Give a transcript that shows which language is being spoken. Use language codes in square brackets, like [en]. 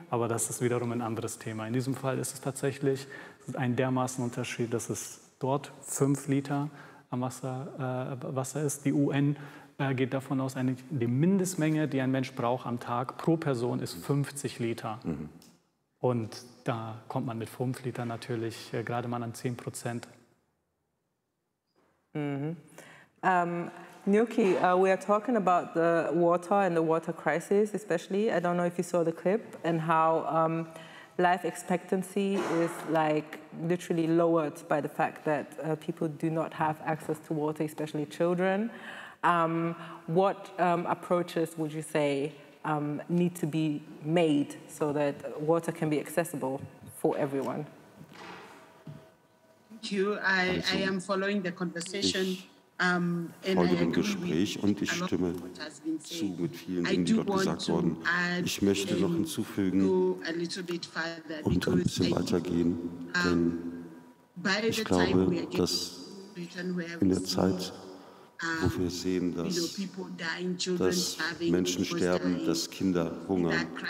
[de] Aber das ist wiederum ein anderes Thema. In diesem Fall ist es tatsächlich ein dermaßen Unterschied, dass es dort 5 Liter am Wasser, Wasser ist. Die UN geht davon aus, die Mindestmenge, die ein Mensch braucht am Tag pro Person, ist 50 Liter. Mhm. Und da kommt man mit 5 Liter natürlich gerade mal an 10%. [en] Gnocchi, we are talking about the water and the water crisis especially. I don't know if you saw the clip and how life expectancy is like literally lowered by the fact that people do not have access to water, especially children. What approaches would you say need to be made so that water can be accessible for everyone? Thank you. I am following the conversation. [de] Ich folge dem Gespräch und ich stimme zu mit vielen Dingen, die dort gesagt wurden. Ich möchte noch hinzufügen und ein bisschen weitergehen, denn ich glaube, dass in der Zeit, wo wir sehen, dass Menschen sterben, dass Kinder hungern,